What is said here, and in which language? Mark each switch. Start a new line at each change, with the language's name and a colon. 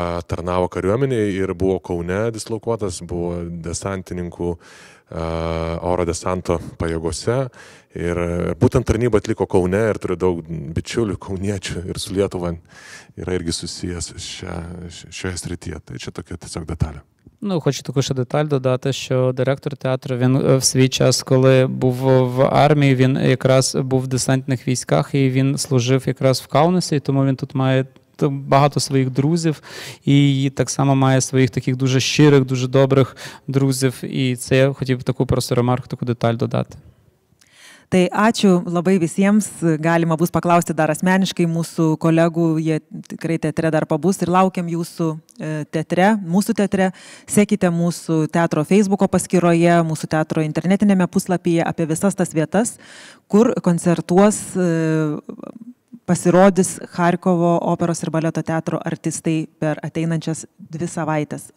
Lithuanian: tarnavo kariuomenėje ir buvo Kaune dislokuotas, buvo desantininkų oro desanto pajėgose ir būtent tarnybą atliko Kaune ir turi daug bičiulių, kauniečių ir su Lietuva yra irgi susijęs šioje srityje. Tai čia tokia tiesiog detalė.
Ukrainian: Ну, хочу таку ще деталь додати, що директор театру, він в свій час, коли був в армії, він якраз був в десантних військах і він служив якраз в Каунасі, тому він тут має багато своїх друзів і так само має своїх таких дуже щирих, дуже добрих друзів. І це я хотів таку просто ремарку, таку деталь додати.
Lithuanian: Tai ačiū labai visiems, galima bus paklausti dar asmeniškai mūsų kolegų, jie tikrai teatre dar pabus ir laukiam jūsų teatre, mūsų teatre. Sekite mūsų teatro Facebook'o paskyroje, mūsų teatro internetinėme puslapyje apie visas tas vietas, kur koncertuos, pasirodys Charkovo operos ir baleto teatro artistai per ateinančias dvi savaitės.